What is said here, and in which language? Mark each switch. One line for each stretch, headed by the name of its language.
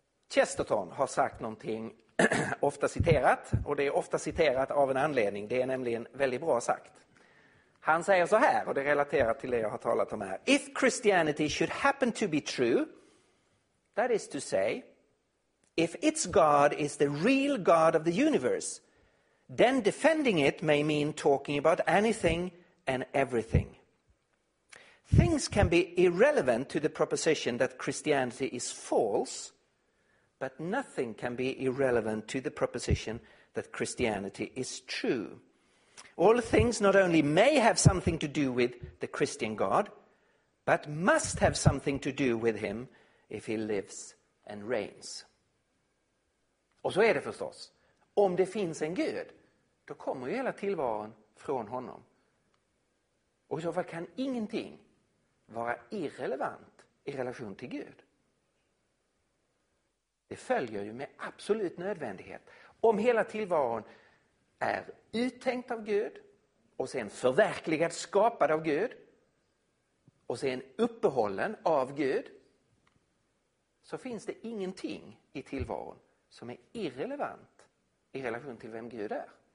Swedish: Chesterton har sagt någonting ofta citerat, och det är ofta citerat av en anledning. Det är nämligen väldigt bra sagt. Han säger så här, och det relaterar till det jag har talat om här.
English: If Christianity should happen to be true, that is to say, if its God is the real God of the universe, then defending it may mean talking about anything and everything. Things can be irrelevant to the proposition that Christianity is false, but nothing can be irrelevant to the proposition that Christianity is true. All things not only may have something to do with the Christian God, but must have something to do with him if he lives and reigns.
Swedish: Och så är det förstås. Om det finns en Gud, då kommer ju hela tillvaron från honom. Och i så fall kan ingenting vara irrelevant i relation till Gud. Det följer ju med absolut nödvändighet. Om hela tillvaron är uttänkt av Gud och sen förverkligad, skapad av Gud och sen uppehållen av Gud, så finns det ingenting i tillvaron som är irrelevant i relation till vem Gud är.